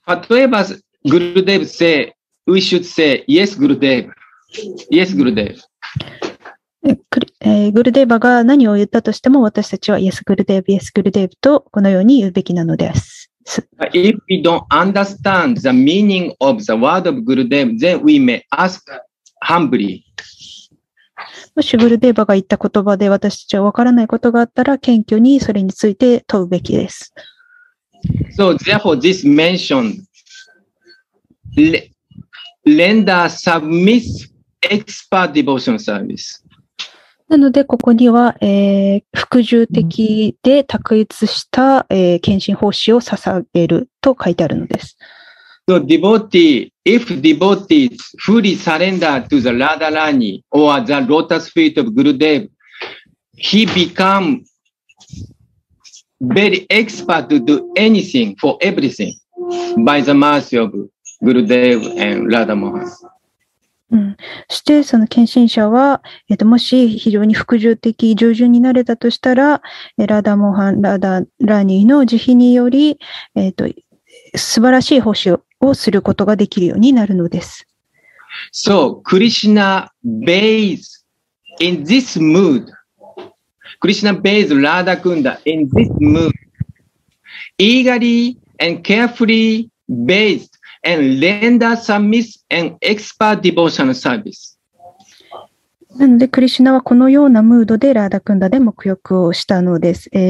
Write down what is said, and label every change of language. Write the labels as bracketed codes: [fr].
[ja] 例えば [en] グルデーヴ say we should say yes グルデーヴ。 Yes グルデーヴ。 [ja] グルデーヴァが何を言ったとしても、私たちはイエスグルデーヴ、イエスグルデーヴとこのように言うべきなのです。 [en] If we don't understand the meaning of the word of Gurudev, then we may ask humbly. [ja] もしグルデーヴァが言った言葉で私たちは分からないことがあったら、謙虚にそれについて問うべきです。 [en] So therefore this mention render submissive expert devotion service. [ja] なのでここには、服従的で卓越した、献身奉仕を捧げると書いてあるのです。 [en] So devotee, if devotee is fully surrender to the Radharani or the lotus feet of Gurudev, he become very expert to do anything for everything by the mercy of Gurudev and Radha Mohan. [ja] そしてその献身者は、もし非常に服従的従順になれたとしたら、ラダモハン、ラダラニーの慈悲により、素晴らしい奉仕をすることができるようになるのです。 [en] So Krishna bathes in this mood. Krishna bathes Radha Kunda in this mood. Eagerly and carefully bathesand render submissive and expert devotional service. [ja] なので、クリシュナはこのようなムードでラーダクンダで沐浴をしたのです。